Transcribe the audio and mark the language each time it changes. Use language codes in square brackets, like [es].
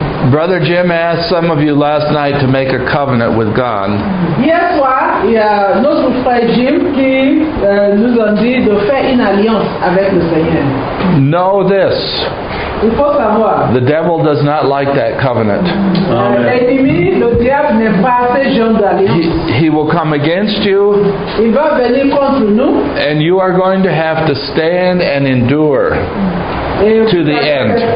[en] Brother Jim asked some of you last night to make a covenant with God. [fr] Hier soir, notre frère Jim qui nous a dit de faire une alliance avec le Seigneur. [en] Know this. [fr] Il faut savoir. [en] The devil does not like that covenant. [fr] L'ennemi, le diable n'est pas ce genre d'alliance. [en] He will come against you. [fr] Il va venir contre nous. [en] And you are going to have to stand and endure. To the end.